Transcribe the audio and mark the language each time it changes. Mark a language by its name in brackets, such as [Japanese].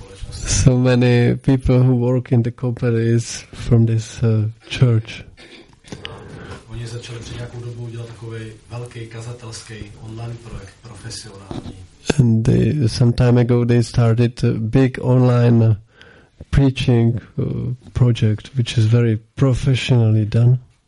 [English] So many people who work in the company is from this church. [Czech] Oni začali pred nejakou dobou udělat takovej velký kazatelský online projekt, profesionální. [English] And they, some time ago they started a big online preaching project, which is very professionally done.